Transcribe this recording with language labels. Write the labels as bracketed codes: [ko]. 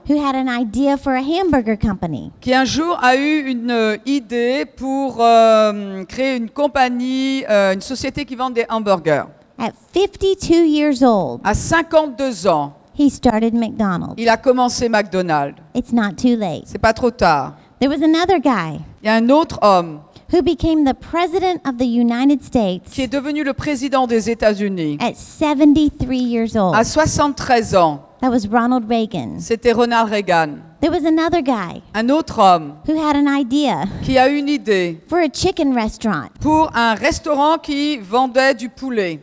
[en] who had an idea for a hamburger company. [fr] Qui un jour a eu une idée pour créer une compagnie, une société qui vend des hamburgers. [en] At 52 years old, [fr] à 52 ans, [en] he started McDonald's. [fr] Il a commencé McDonald's. [en] It's not too late. [fr] C'est pas trop tard. [en] There was another guy. [fr] Il y a un autre homme. [en] Who became the president of the United States? [fr] Qui est devenu le président des États-Unis? [en] At 73 years old. [fr] À 73 ans. [en] That was Ronald Reagan. [fr] C'était Ronald Reagan. [en] There was another guy. [fr] Un autre homme. [en] Who had an idea? [fr] Qui a une idée? [en] For a chicken restaurant. [fr] Pour un restaurant qui vendait du poulet.